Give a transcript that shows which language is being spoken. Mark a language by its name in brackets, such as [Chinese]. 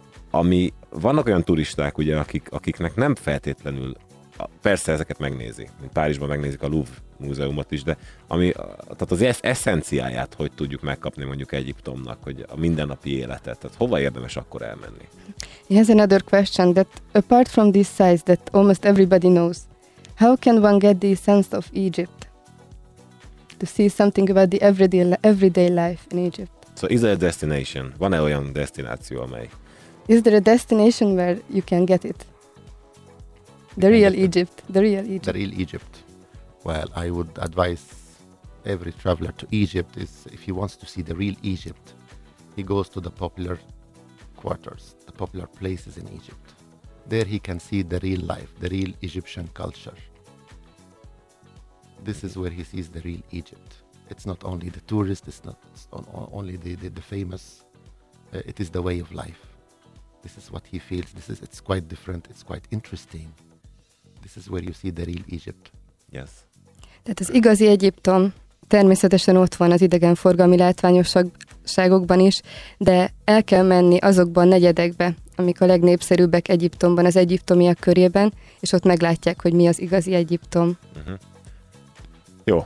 [Hungarian] Ami, vannak olyan turisták, ugye, akiknek nem feltétlenül, persze ezeket megnézi, mint Párizsban megnézik a Louvre múzeumot is, de ami, tehát az eszenciáját hogy tudjuk megkapni mondjuk Egyiptomnak, hogy a mindennapi életet, tehát hova érdemes akkor elmenni? [English] Here's another question, that apart from these sites that almost everybody knows, how can one get the sense of Egypt? To see something about the everyday life in Egypt. So is there a destination? [Hungarian] Van-e olyan destináció, amely? [English] Is there a destination where you can get it? The real Egypt. The real Egypt. The real Egypt. Well, I would advise every traveler to Egypt is if he wants to see the real Egypt, he goes to the popular quarters, the popular places in Egypt. There he can see the real life, the real Egyptian culture. This is where he sees the real Egypt. It's not only the tourists, it's not only the famous. It is the way of life. This is what he feels. It's quite different. It's quite interesting. This is where you see the real Egypt. Yes. [Hungarian] Tehát az igazi Egyiptom természetesen ott van az idegenforgalmi látványosságokban is, de el kell menni azokban a negyedekbe, amik a legnépszerűbbek Egyiptomban, az egyiptomiak körében, és ott meglátják, hogy mi az igazi Egyiptom. Uh-huh.